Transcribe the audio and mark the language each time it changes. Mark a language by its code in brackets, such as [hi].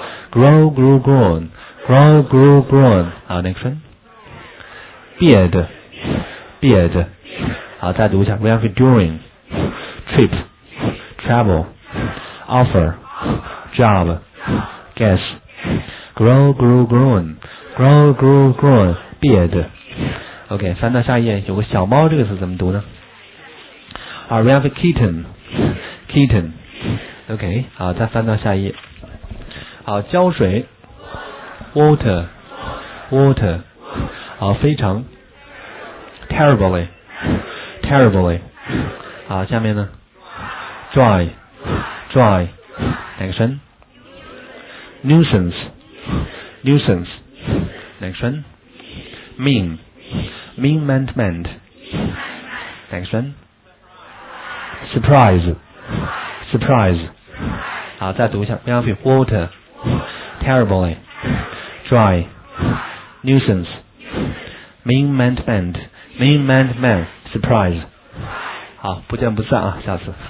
[en] Grow, grow, grown. Grow, grow, grown. 好 next one. Beard, beard. [zh] 好，再读一下。 [en] We have during, trip, travel, offer, job, guess. Grow, grow, grown. Grow, grow, grown. Beard. [zh] OK, 翻到下一页，有个小猫这个词怎么读呢？ [en] 好 ，we have kitten, kitten. OK, 好，再翻到下一页。好，浇水 ，water, water. 好，非常 ，terribly, terribly. 好，下面呢 ，dry, dry. Next one, nuisance, nuisance. Next one, mean, mean meant meant. Next one, surprise, surprise. [zh] 好，再读一下 [en] ，Murphy, water. Terribly, dry, nuisance, mean meant meant, mean meant meant, surprise. [zh] 好，不见不散啊，下次。